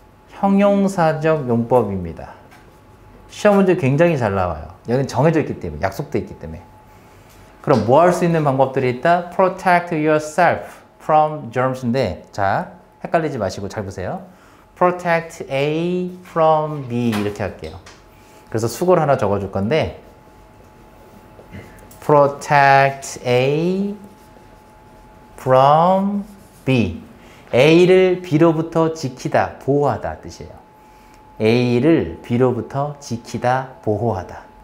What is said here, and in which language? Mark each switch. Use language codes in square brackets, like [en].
[ko] 형용사적 용법입니다. 시험 문제 굉장히 잘 나와요. 여기는 정해져 있기 때문에, 약속돼 있기 때문에. 그럼 뭐 할 수 있는 방법들이 있다? [en] Protect yourself from germs [ko] 인데, 자, 헷갈리지 마시고 잘 보세요. [en] Protect A from B [ko] 이렇게 할게요. 그래서 수거를 하나 적어줄 건데, [en] Protect A from B. [ko] A를 B로부터 지키다, 보호하다 뜻이에요. A를 B로부터 지키다, 보호하다.